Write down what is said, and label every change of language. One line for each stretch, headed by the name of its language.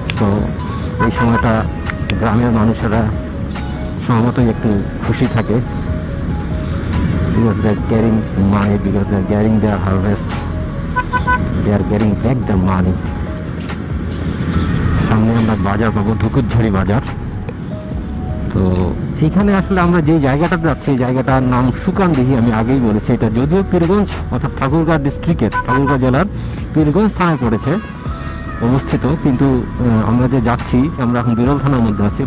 Bangla: So এই সময়টা গ্রামের মানুষরা সবাই একটু খুশি থাকে।
English: Because they're getting money, because they're getting their harvest. They are getting back their money.
Bangla: সামনে আমরা বাজার পাবো, ধুকুটঝড়ি বাজার। তো এইখানে আসলে আমরা যে জায়গাটাতে যাচ্ছি, জায়গাটার নাম সুকানদিঘি, আমি আগেই বলেছি। এটা যদিও পীরগঞ্জ অর্থাৎ ঠাকুরগাঁও ডিস্ট্রিক্টের, ঠাকুরগাঁও জেলার পীরগঞ্জ থানায় পড়েছে অবস্থিত, কিন্তু আমরা যে যাচ্ছি, আমরা এখন বিরল থানার মধ্যে আছি।